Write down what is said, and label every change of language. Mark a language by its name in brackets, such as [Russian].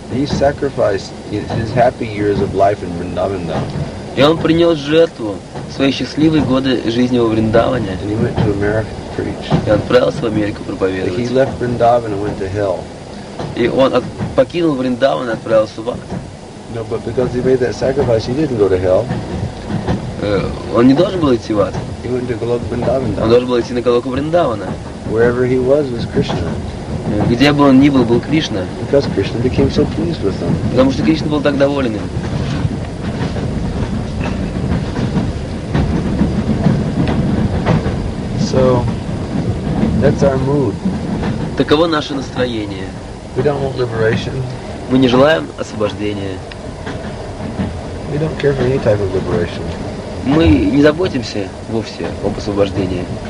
[English] He sacrificed his happy years of life in Vrindavan. [Russian] И он принес жертву свои счастливые годы жизни во Вриндаване. [English] And he went to America to preach. [Russian] И отправился в Америку проповедовать. [English] He left Vrindavan and went to hell. [Russian] И он покинул Вриндаван и отправился в ад. [English] No, but because he made that sacrifice, he didn't go to hell. [Russian] Он не должен был идти в ад. [English] He went to Galoka Vrindavan. [Russian] Он должен был идти на Галоку Вриндавана. [English] Wherever he was Krishna. [Russian] Где бы он ни был, был Кришна. [English] Because Krishna became so pleased with him. [Russian] Потому что Кришна был так доволен им. [English] So that's our mood. [Russian] Таково наше настроение. [English] We don't want liberation. [Russian] Мы не желаем освобождения. [English] We don't care for any type of liberation. [Russian] Мы не заботимся вовсе об освобождении.